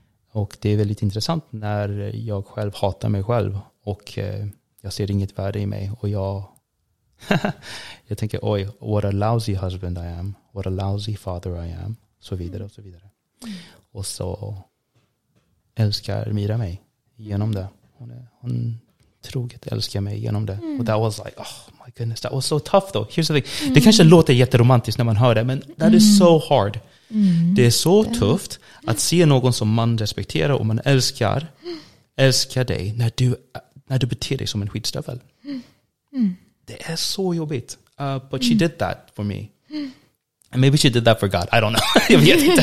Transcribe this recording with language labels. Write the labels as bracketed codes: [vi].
[sv] Och det är väldigt intressant när jag själv hatar mig själv och jag ser inget värde i mig. Och jag tänker, oj, [en] what a lousy husband I am, what a lousy father I am, [sv] så vidare och så vidare. Och så älskar Mira mig genom det. Hon troget älskar mig genom det. [en] Och that was like, oh my goodness, that was so tough though. Here's the thing. [sv] Det kanske låter jätteromantiskt när man hör det, men [en] that is so hard. [sv] Det är så tufft att se någon som man respekterar och man älskar dig när du beter dig som en skitstövel. Det är så jobbigt. [en] But she did that for me. And maybe she did that for God. I don't know. [sv] Jag vet inte.